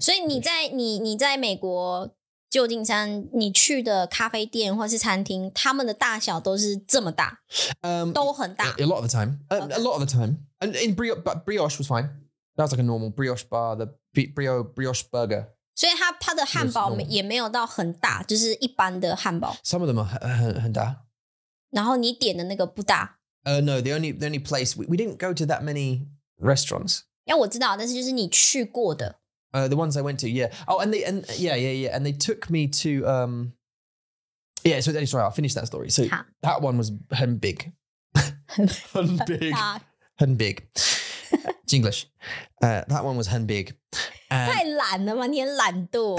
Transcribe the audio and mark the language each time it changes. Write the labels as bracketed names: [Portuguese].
[Chinese] 所以你在美国旧金山你去的咖啡店或是餐厅 他们的大小都是这么大 都很大 [English] a lot of the time okay. A lot of the time. And in brioche was fine. That was like a normal brioche bar. The brioche burger. [Chinese] 所以它的汉堡也没有到很大 就是一般的汉堡. [English] Some of them are [Chinese] 很大然后你点的那个不大 [English] No, the only place we didn't go to that many restaurants. [Chinese] 要我知道, 但是就是你去过的。 [English] The ones I went to, yeah. Oh, and they took me to, yeah, so sorry, I'll finish that story. So that one was 很big. 很big. 很big. English. That one was 很big. [Chinese] 太懒了吗?你很懒惰.